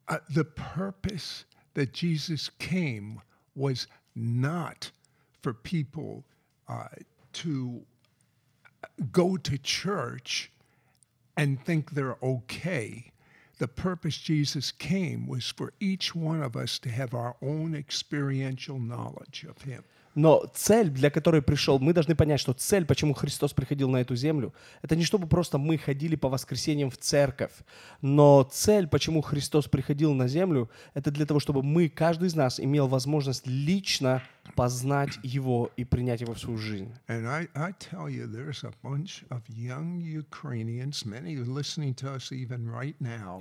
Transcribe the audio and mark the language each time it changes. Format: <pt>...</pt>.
<en>The purpose that Jesus came was not for people to go to church and think they're okay. The purpose Jesus came was for each one of us to have our own experiential knowledge of Him.</en> <ru>Но цель, для которой пришел, мы должны понять, что цель, почему Христос приходил на эту землю, это не чтобы просто мы ходили по воскресеньям в церковь, но цель, почему Христос приходил на землю, это для того, чтобы мы, каждый из нас, имел возможность лично познать Его и принять Его в свою жизнь.</ru> <en>And I tell you, there's a bunch of young Ukrainians, many listening to us even right now.</en>